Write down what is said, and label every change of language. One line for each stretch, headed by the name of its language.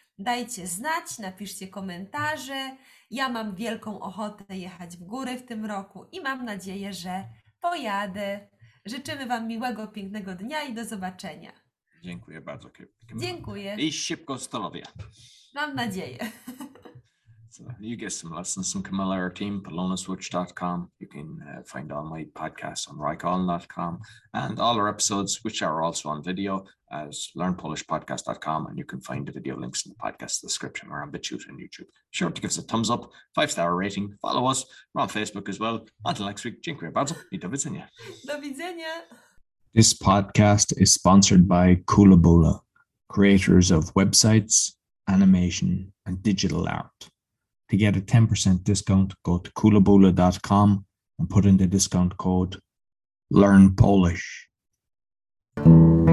Polish: Dajcie znać, napiszcie komentarze. Ja mam wielką ochotę jechać w góry w tym roku i mam nadzieję, że pojadę. Życzymy Wam miłego, pięknego dnia i do zobaczenia. Dziękuję bardzo, Kamila. I Dziękuję. szybko zdrowia. Mam nadzieję.
English: So you get some lessons from Kamila, our team, polonaswitch.com. You can find all my podcasts on rycon.com and all our episodes, which are also on video, as learnpolishpodcast.com. And you can find the video links in the podcast description or on BitChute and YouTube. Be sure to give us a thumbs up, 5-star rating, follow us. We're on Facebook as well. Until next week,
Polish: dziękuję bardzo i do widzenia. Do widzenia.
English: This podcast is sponsored by Koolaboola, creators of websites, animation, and digital art. To get a 10% discount, go to koolaboola.com and put in the discount code LearnPolish.